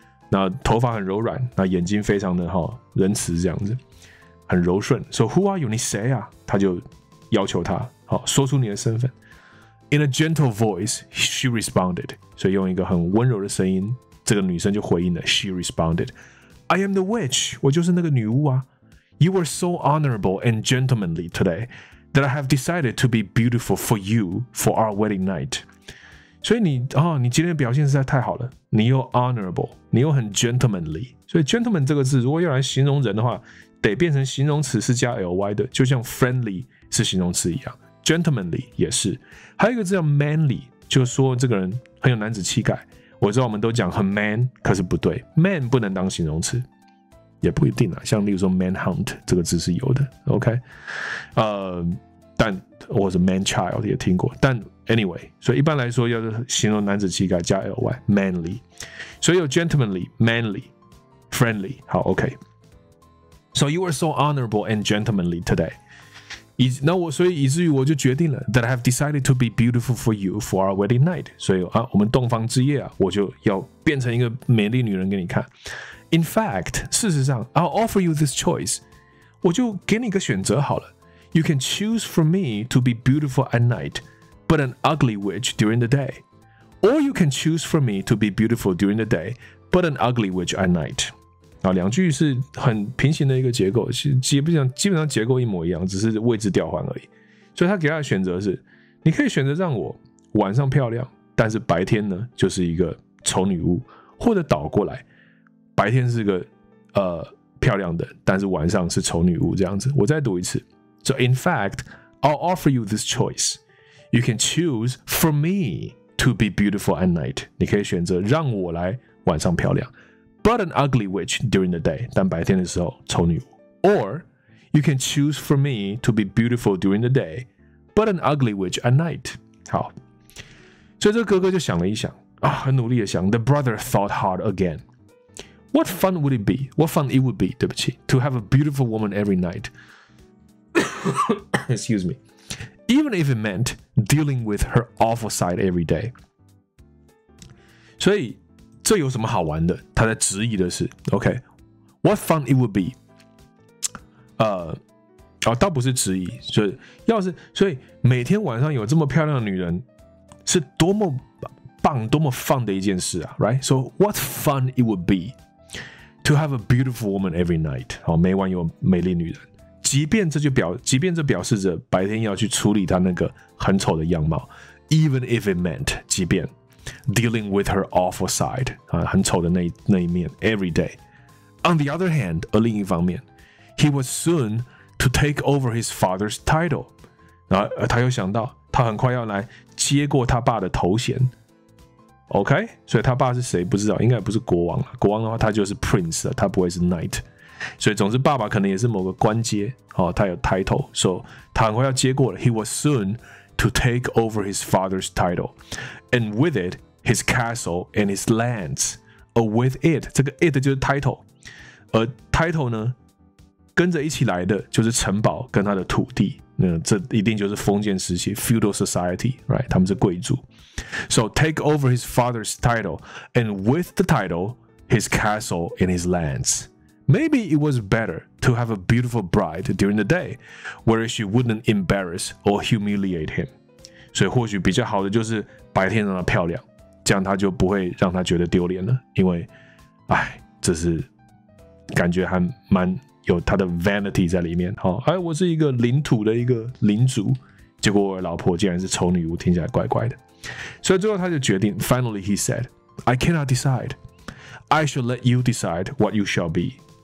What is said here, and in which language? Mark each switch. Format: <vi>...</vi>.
<zh>那头发很柔软，那眼睛非常的仁慈，这样子很柔顺。</zh> <en>So who are you？</en> <zh>你谁啊？他就要求他好，说出你的身份。</zh> <en>In a gentle voice, she responded.</en> <zh>所以用一个很温柔的声音，这个女生就回应了。</zh> <en>She responded, "I am the witch.</en> <zh>我就是那个女巫啊。</zh> <en>You were so honorable and gentlemanly today that I have decided to be beautiful for you for our wedding night."</en> <zh>所以你今天的表现实在太好了。你又 honorable， 你又很 gentlemanly。所以 gentleman 这个字如果要来形容人的话，得变成形容词是加 ly 的，就像 friendly 是形容词一样。 Gentlemanly 也是，还有一个字叫 manly， 就是说这个人很有男子气概。我知道我们都讲很 man， 可是不对， man 不能当形容词，也不一定啊。像例如说 manhunt 这个字是有的 ，OK， 但或是 man child 也听过，但 anyway， 所以一般来说要形容男子气概加 ly manly， 所以有 gentlemanly、manly、friendly， 好 ，OK。</zh> <en>So you are so honorable and gentlemanly today。</en> <zh>那我所以以至于我就决定了</zh> <en>that I have decided to be beautiful for you for our wedding night。</en> <zh>所以啊，我们洞房之夜啊，我就要变成一个美丽女人给你看。</zh> <en>In fact，</en> <zh>事实上</zh> <en>I'll offer you this choice，</en> <zh>我就给你一个选择好了。</zh> <en>You can choose for me to be beautiful at night but an ugly witch during the day， or you can choose for me to be beautiful during the day but an ugly witch at night。</en> <zh>两句是很平行的一个结构，基本上结构一模一样，只是位置调换而已。所以他给他的选择是，你可以选择让我晚上漂亮，但是白天呢就是一个丑女巫，或者倒过来，白天是个漂亮的，但是晚上是丑女巫，这样子。我再读一次。</zh> <en>So in fact, I'll offer you this choice. You can choose for me to be beautiful at night.</en> <zh>你可以选择让我来晚上漂亮，</zh> <en>but an ugly witch during the day，</en> <zh>但白天的时候丑女巫。</zh> <en>Or you can choose for me to be beautiful during the day but an ugly witch at night。</en> <zh>好，所以这个哥哥就想了一想，很努力的想。</zh> <en>The brother thought hard again. What fun would it be? What fun it would be， 对不起， to have a beautiful woman every night. Excuse me. Even if it meant dealing with her awful side every day.</en> <zh>所以这有什么好玩的？他在质疑的是 ，OK，</zh> <en>what fun it would be？</en> <zh>倒不是质疑，就是要是所以每天晚上有这么漂亮的女人，是多么棒、多么 fun 的一件事啊 ，right？</zh> <en>So what fun it would be to have a beautiful woman every night？</en> <zh>每晚有美丽女人，即便这表示着白天要去处理她那个很丑的样貌 ，</zh> <en>even if it meant，</en> <zh>即便。</zh> <en>Dealing with her awful side，</en> <zh>很丑的那一面</zh> <en>，every day。 On the other hand，</en> <zh>而另一方面</zh> <en>，he was soon to take over his father's title。</en> <zh>然后他又想到，他很快要来接过他爸的头衔。 OK， 所以他爸是谁不知道，应该不是国王了。国王的话，他就是 prince 了，他不会是 knight。所以总之，爸爸可能也是某个官阶，他有 title， 所以他很快要接过了。</zh> <en>He was soon to take over his father's title。 And with it, his castle and his lands. Or with it,</en> <zh>这个 it 就是 title. 而 title 呢，跟着一起来的就是城堡跟他的土地。那这一定就是封建时期 feudal society, right? 他们是贵族。</zh> <en>So take over his father's title, and with the title, his castle and his lands. Maybe it was better to have a beautiful bride during the day, where she wouldn't embarrass or humiliate him.</en> <zh>所以或许比较好的就是白天让她漂亮，这样他就不会让他觉得丢脸了，因为哎，这是感觉还蛮有他的 vanity 在里面。哎、哦，我是一个领土的一个领主，结果我老婆竟然是丑女巫，听起来怪怪的。所以最后他就决定</zh> <en>finally he said I cannot decide I should let you decide what you shall be。</en>